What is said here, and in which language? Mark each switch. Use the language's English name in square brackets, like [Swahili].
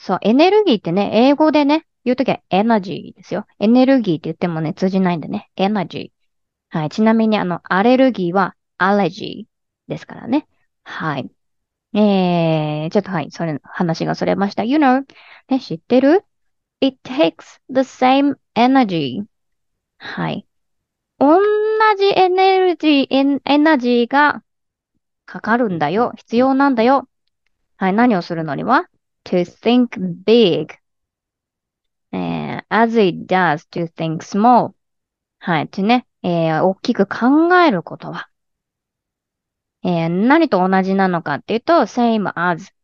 [Japanese] そう、エネルギーってね、英語でね、言うときはエナジーですよ。エネルギーって言ってもね、通じないんでね。エナジー。はい。ちなみに、アレルギーはアレジーですからね。はい。ちょっとはい、それ、話がそれました。 [English] You know? [Japanese] ね、知ってる？ [English] It takes the same energy. [Japanese] はい。同じエナジーがかかるんだよ。必要なんだよ。はい、何をするのには？ [English] To think big. As it does to think small. [Japanese] はい、とね、大きく考えることは。何と同じなのかっていうと、 [English] same as.